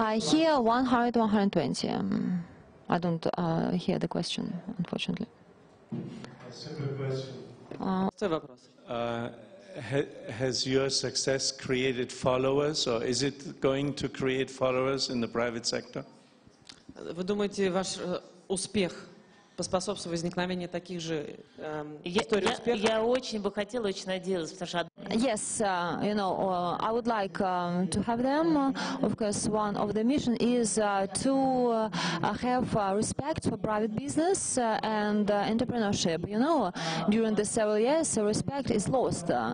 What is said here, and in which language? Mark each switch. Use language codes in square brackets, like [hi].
[en] Here, 100, 120. I don't hear the question, unfortunately. A simple question. Has your success created followers, or is it going to create followers in the private sector? [ru] Вы думаете, ваш успех поспособствует возникновению таких же историй успеха? Я очень бы хотела, очень надеялась, потому что [en] Yes, you know, I would like to have them. Of course, one of the mission is to have respect for private business and entrepreneurship. You know, during the several years, respect is lost.